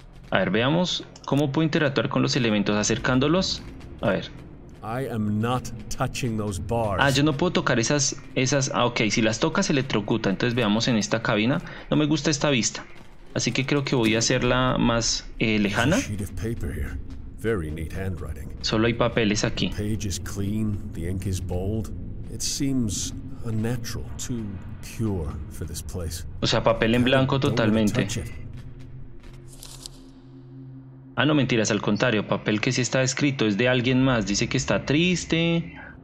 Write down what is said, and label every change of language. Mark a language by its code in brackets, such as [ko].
[es] A ver, veamos cómo puedo interactuar con los elementos acercándolos. A ver. [en] I am not touching those bars. [es] Ah, yo no puedo tocar esas. Ah, ok, si las tocas se electrocuta. Entonces veamos en esta cabina. No me gusta esta vista, así que creo que voy a hacerla más lejana. [en] Sheet of paper here. Very neat handwriting. [es] Solo hay papeles aquí. [en] The page is clean, the ink is bold. It seems unnatural, too pure for this place. [es] O sea, papel en blanco totalmente. Ah, no, mentiras, al contrario, papel que sí está escrito, es de alguien más, dice que está triste.